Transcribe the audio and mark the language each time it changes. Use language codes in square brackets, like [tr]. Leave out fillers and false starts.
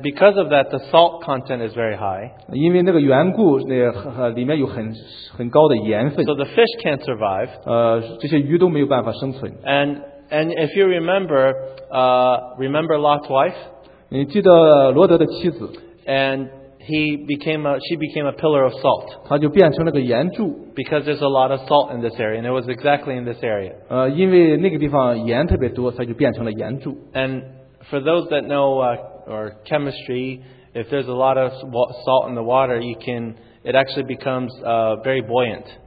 [en] because of that, the salt content is very high. [zh] 因为那个缘故，里面有很高的盐分。 [en] So the fish can't survive. [zh] 这些鱼都没有办法生存。 [en] And if you remember, remember Lot's wife? [zh] 你记得罗德的妻子? [en] And she became a pillar of salt. [zh] 她就变成了个盐柱。 [en] Because there's a lot of salt in this area, and it was exactly in this area. [zh] 因为那个地方盐特别多, 她就变成了盐柱。 [en] And for those that know or chemistry, if there's a lot of salt in the water, it actually becomes very buoyant.